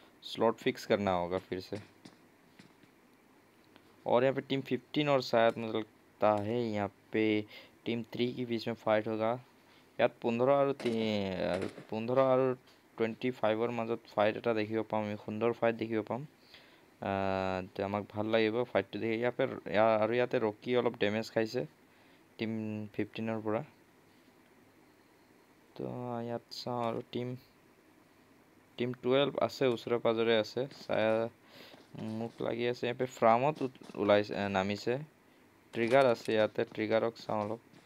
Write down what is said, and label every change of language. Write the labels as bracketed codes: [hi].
[hi] Slot fix करना होगा फिर से। और यहाँ पे टीम 15 और शायद मुझे लगता है यहाँ पे टीम 3 के बीच में फाइट होगा यार। [as] 15 আর 25 ৰ মাজত ফাইট এটা দেখিব পাম, আমি সুন্দৰ ফাইট দেখিব পাম, তে আমাক ভাল লাগিব ফাইটটো দেখি। ইয়াৰ পৰা আৰু ইয়াতে ৰকি অলপ ডেমেজ খাইছে টিম 15 ৰ পৰা, তো ইয়াত চাওঁ। আৰু টিম 12 আছে, ওচৰে পাজৰে আছে, চাই মোক লাগি আছে। ইয়াৰ পৰা ফ্ৰামত ওলাইছে, নামিছে, ট্ৰিগাৰ আছে ইয়াতে, ট্ৰিগাৰক চাওঁ অলপ।